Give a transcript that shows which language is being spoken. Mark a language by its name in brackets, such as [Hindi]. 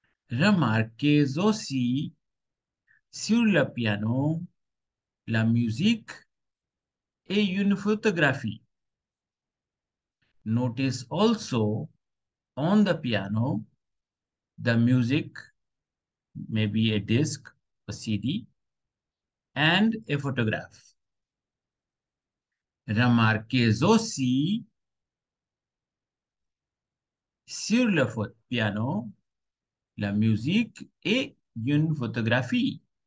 [French] Remarquez aussi sur le piano la musique et une photographie. [English] Notice also on the piano the music, maybe a disc, a CD, and a photograph. [French] Remarquez aussi sur le piano, la musique et une photographie.